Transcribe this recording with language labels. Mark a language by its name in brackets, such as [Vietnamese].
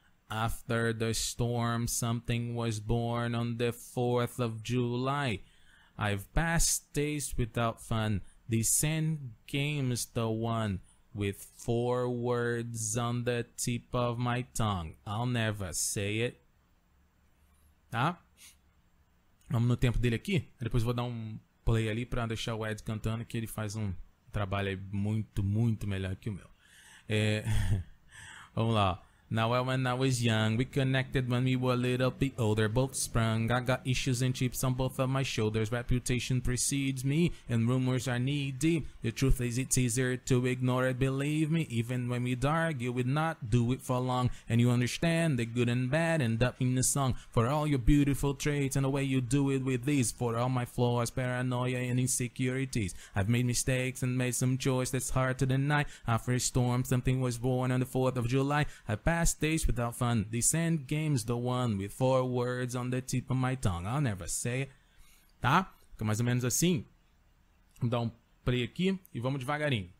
[English] After the storm, something was born on the 4th of July. I've passed days without fun. The same game's the one. With four words on the tip of my tongue. I'll never say it. [Portuguese] Tá? Vamos no tempo dele aqui. Depois vou dar um play ali pra deixar o Ed cantando, que ele faz um trabalho muito, muito melhor que o meu. Vamos lá. [English] Now when I was young, we connected when we were a little bit older, both sprung. I got issues and chips on both of my shoulders. Reputation precedes me, and rumors are knee deep. The truth is it's easier to ignore it, believe me. Even when we'd argue, we'd not do it for long. And you understand the good and bad end up in the song. For all your beautiful traits and the way you do it with ease. For all my flaws, paranoia and insecurities. I've made mistakes and made some choice that's hard to deny. After a storm, something was born on the 4th of July. Past days without fun, this end game's the one with four words on the tip of my tongue. I'll never say it. [Portuguese] Tá? Fica mais ou menos assim. Vamos dar um play aqui e vamos devagarinho.